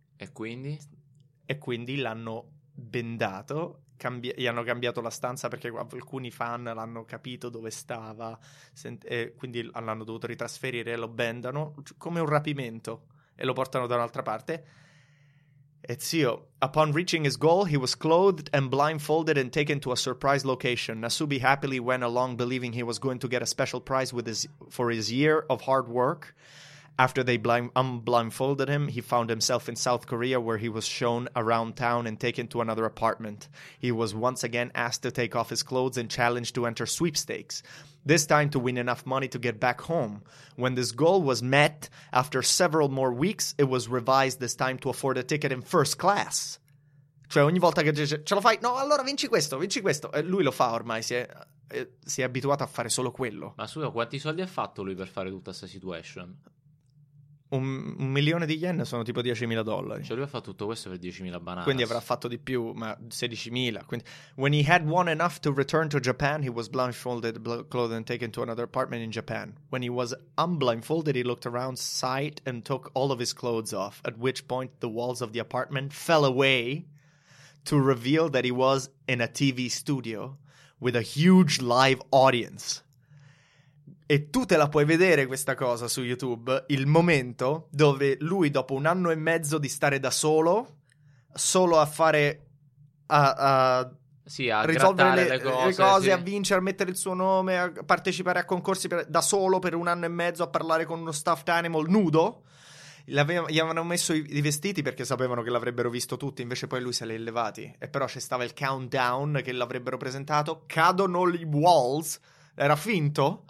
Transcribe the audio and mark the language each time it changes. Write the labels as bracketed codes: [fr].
[it] E quindi? E quindi l'hanno bendato, gli hanno cambiato la stanza perché alcuni fan l'hanno capito dove stava, e quindi l'hanno dovuto ritrasferire e lo bendano come un rapimento e lo portano da un'altra parte. E zio, [en] upon reaching his goal, he was clothed and blindfolded and taken to a surprise location. Nasubi happily went along, believing he was going to get a special prize for his year of hard work. After they unblindfolded him, he found himself in South Korea, where he was shown around town and taken to another apartment. He was once again asked to take off his clothes and challenged to enter sweepstakes, this time to win enough money to get back home. When this goal was met, after several more weeks, it was revised, this time to afford a ticket in first class. [it] Cioè, ogni volta che dice, ce la fai? No, allora vinci questo, vinci questo. E lui lo fa ormai, si è abituato a fare solo quello. Ma scusa, quanti soldi ha fatto lui per fare tutta questa situation? Un milione di yen sono tipo 10.000 dollari. Cioè lui ha fatto tutto questo per 10.000 bananas. Quindi avrà fatto di più, ma 16.000. Quindi... [en] When he had won enough to return to Japan, he was blindfolded, clothed and taken to another apartment in Japan. When he was unblindfolded, he looked around sight and took all of his clothes off, at which point the walls of the apartment fell away, to reveal that he was in a TV studio with a huge live audience. [it] E tu te la puoi vedere questa cosa su YouTube, il momento dove lui, dopo un anno e mezzo di stare da solo, solo a fare, a risolvere le cose, a vincere, a mettere il suo nome, a partecipare a concorsi da solo per un anno e mezzo, a parlare con uno [en] stuffed animal [it] nudo, gli avevano messo i vestiti perché sapevano che l'avrebbero visto tutti, invece poi lui se li è levati, e però c'è stava il countdown che l'avrebbero presentato, cadono gli walls, era finto.